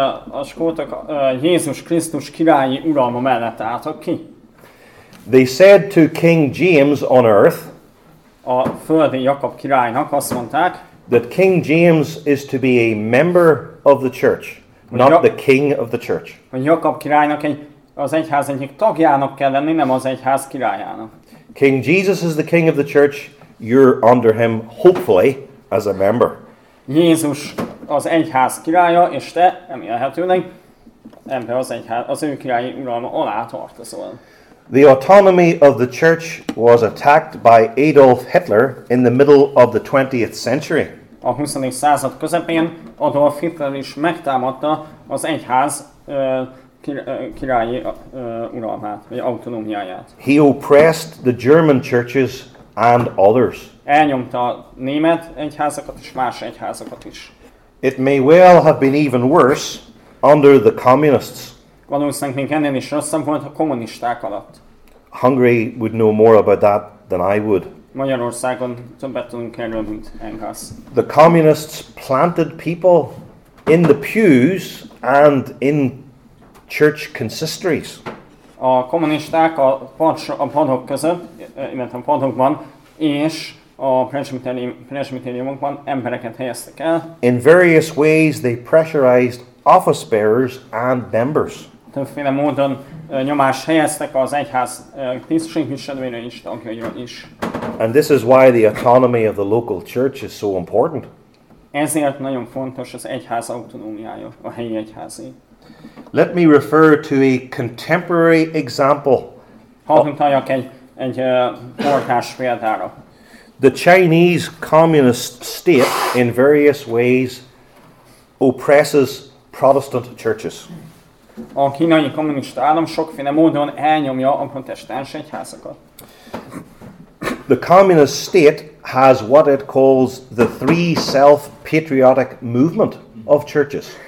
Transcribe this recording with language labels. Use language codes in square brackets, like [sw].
[hu] A skótok Jézus Krisztus királyi uralma mellett álltak ki. [en] They said to King James on earth, [hu] a földi Jakab királynak azt mondták, [en] that King James is to be a member of the church, not the king of the church. [hu] A Jakab királynak az egyház egyik tagjának kell lenni, nem az egyház királyának. [en] King Jesus is the king of the church. You're under him, hopefully, as a member. [hu] Jézus az egyház királya, és te, remélhetőleg, ebbe az egyház, az ő királyi uralma alá tartozol. [en] The autonomy of the church was attacked by Adolf Hitler in the middle of the 20th century. [hu] A 20. század közepén Adolf Hitler is megtámadta az egyház királyi uralmát, vagy autonómiáját. [en] He oppressed the German churches and others. [hu] Elnyomta a német egyházakat és más egyházakat is. [en] It may well have been even worse under the communists. [hu] Valószínűleg még ennél is rosszabb volt a kommunisták alatt. [en] Hungary would know more about that than I would. [hu] Magyarországon többet tudunk erről, mint Engels. [en] The communists planted people in the pews and in church consistories. [hu] A kommunisták a padok között, illetve a padokban, és a presbitériumokban embereket helyeztek el. [en] In various ways they pressurized office bearers and members. [hu] Többféle módon nyomást helyeztek az egyház tisztségviselőire is, tagjaira is. [en] And this is why the autonomy of the local church is so important. [hu] Ezért nagyon fontos az egyház autonómiája, a helyi egyházi. [en] Let me refer to a contemporary example. [hu] Hadd utaljak egy portás példára. [en] The Chinese communist state in various ways oppresses Protestant churches. [hu] A kínai kommunista állam sokféle módon elnyomja a protestáns egyházakat. [en] The communist state has what it calls the three self-patriotic movement of churches.